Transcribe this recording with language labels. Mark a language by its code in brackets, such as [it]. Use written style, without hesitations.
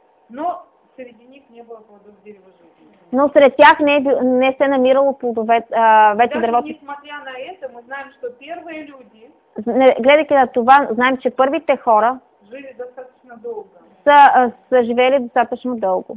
[ru] Но среди них не было плодов дерева жизни. [bg] Но сред тях не се намирало плодове, вече дървото. [ru] Даже несмотря на это, мы знаем, что первые люди, [bg] гледайки на това, знаем, че първите хора [ru] жили достаточно дълго. [bg] Са живели достатъчно дълго.